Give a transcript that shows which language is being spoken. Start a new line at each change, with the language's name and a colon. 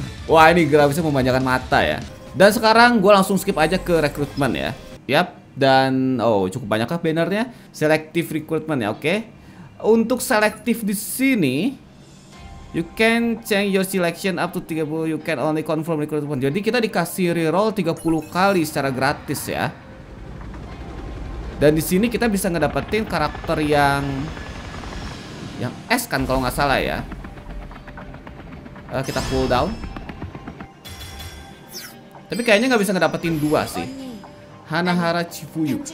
Indonesian: Wah, ini grafisnya memanjakan mata ya. Dan sekarang gue langsung skip aja ke recruitment ya. Yap, dan oh cukup banyak kah bannernya? Selective recruitment ya, oke. Okay. Untuk selective di sini,
English: you can change your selection up to 30, you can only confirm recruitment.
Indonesian: Jadi kita dikasih reroll 30 kali secara gratis ya. Dan di sini kita bisa ngedapetin karakter yang S kan kalau nggak salah ya. Kita cooldown. Tapi kayaknya nggak bisa ngedapetin dua sih. Hanahara Chifuyu.